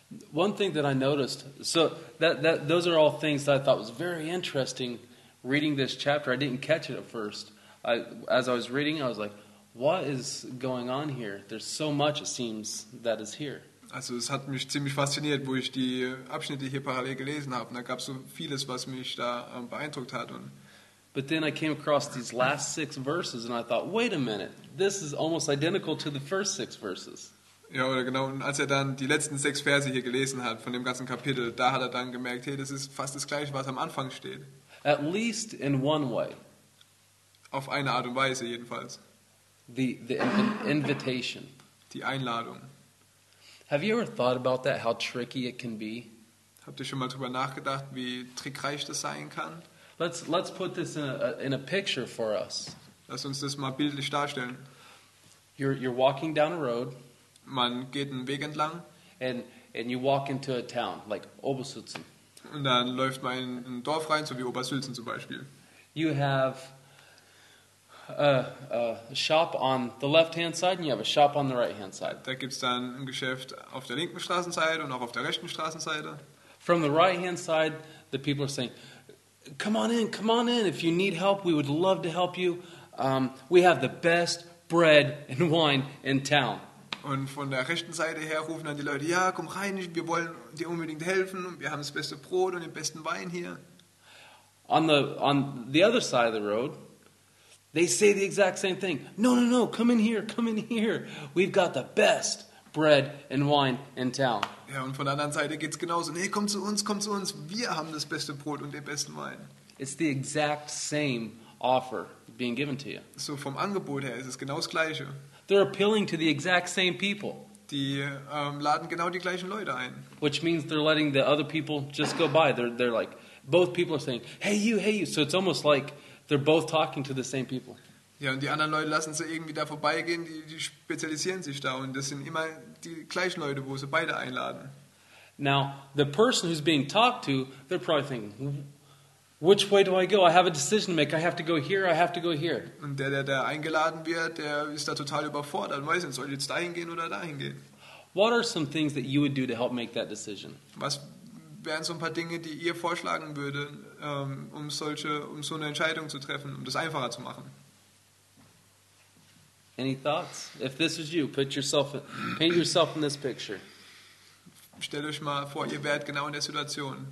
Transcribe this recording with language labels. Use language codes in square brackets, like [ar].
[en] One thing that I noticed, so that those are all things that I thought was very interesting reading this chapter. I didn't catch it at first. As I was reading, I was like, what is going on here? There's so much, it seems, that is here. [de] Also es hat mich ziemlich fasziniert, wo ich die Abschnitte hier parallel gelesen habe. Und da gab es so vieles, was mich da beeindruckt hat. Und [en] but then I came across these last six verses and I thought, wait a minute, this is almost identical to the first six verses. [de] Ja, oder genau. Und als er dann die letzten sechs Verse hier gelesen hat von dem ganzen Kapitel, da hat er dann gemerkt, hey, das ist fast das Gleiche, was am Anfang steht. [en] At least in one way. [de] Auf eine Art und Weise jedenfalls. [en] The invitation. [de] Die Einladung. [en] Have you ever thought about that, how tricky it can be? [de] Habt ihr schon mal drüber nachgedacht, wie trickreich das sein kann? [en] Let's put this in a picture for us. [de] Lass uns das mal bildlich darstellen. [en] You're walking down a road. [de] Man geht einen Weg entlang. [en] And you walk into a town, like Obersülzen. [de] Und dann läuft man in ein Dorf rein, so wie Obersülzen zum Beispiel. [en] You have a shop on the left-hand side and you have a shop on the right-hand side. [de] Da gibt's dann ein Geschäft auf der linken Straßenseite und auch auf der rechten Straßenseite. [en] From the right-hand side, the people are saying, come on in, if you need help, we would love to help you. We have the best bread and wine in town. [de] Und von der rechten Seite her rufen dann die Leute, ja, komm rein, wir wollen dir unbedingt helfen und wir haben das beste Brot und den besten Wein hier. [en] On the other side of the road, they say the exact same thing. No, come in here. We've got the best bread and wine in town. [de] Ja, und von der anderen Seite geht's genauso. Nee, komm zu uns. Wir haben das beste Brot und den besten Wein. [en] It's the exact same offer being given to you. [de] So vom Angebot her ist es genau das gleiche. [en] They're appealing to the exact same people. [de] Die laden genau die gleichen Leute ein. [en] Which means they're letting the other people just go by. They're like, both people are saying, hey you. So it's almost like they're both talking to the same people. [de] Ja, und die anderen Leute lassen sie irgendwie da vorbeigehen, die spezialisieren sich da und das sind immer die gleichen Leute, wo sie beide einladen. [en] Now, the person who's being talked to, they're probably thinking, which way do I go? I have a decision to make. I have to go here. I have to go here. [de] Und der eingeladen wird, der ist da total überfordert. Weiß nicht, soll ich jetzt dahin gehen oder dahin gehen? [en] What are some things that you would do to help make that decision? [de] Was wären so ein paar Dinge, die ihr vorschlagen würde, um so eine Entscheidung zu treffen, um das einfacher zu machen? [en] Any thoughts? If this is you, paint yourself in this picture. [de] Stellt euch mal vor, ihr wärt genau in der Situation.